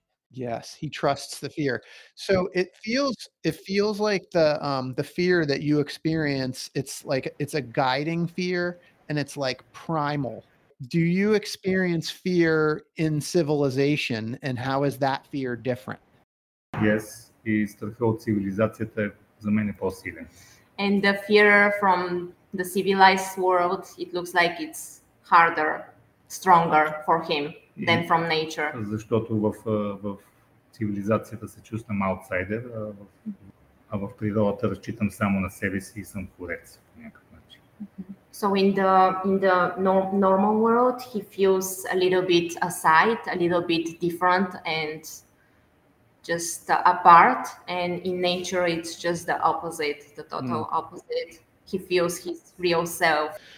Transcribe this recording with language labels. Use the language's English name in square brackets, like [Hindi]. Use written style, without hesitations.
[English] Yes, he trusts the fear. So it feels like the fear that you experience, it's like it's a guiding fear and it's like primal. Do you experience fear in civilization, and how is that fear different? [Bulgarian] Yes, и страх от цивилизацията за мен е по-силен. [English] And the fear from the civilized world, it looks like it's harder, stronger for him than from nature. [Bulgarian] Защото в цивилизацията се чувствам аутсайдер, а в природата разчитам само на себе си и съм творец по някакъв начин. [English] So in the normal world, he feels a little bit aside, a little bit different, and just apart. And in nature, it's just the opposite, the total opposite. He feels his real self.